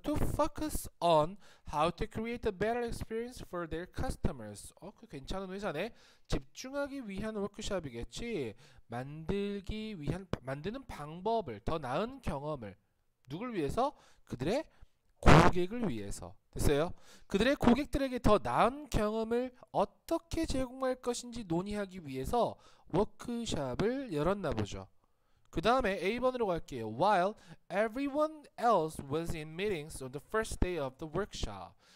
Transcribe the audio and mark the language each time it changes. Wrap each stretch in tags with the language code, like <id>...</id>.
<en>To focus on how to create a better experience for their customers.</en> <ko>그 괜찮은 회사네. 집중하기 위한 워크숍이겠지. 만들기 위한 만드는 방법을 더 나은 경험을 누굴 위해서? 그들의 고객을 위해서. 됐어요? 그들의 고객들에게 더 나은 경험을 어떻게 제공할 것인지 논의하기 위해서 워크숍을 열었나 보죠. 그 다음에 A번으로 갈게요.</ko> <en>While everyone else was in meetings on the first day of the workshop.</en>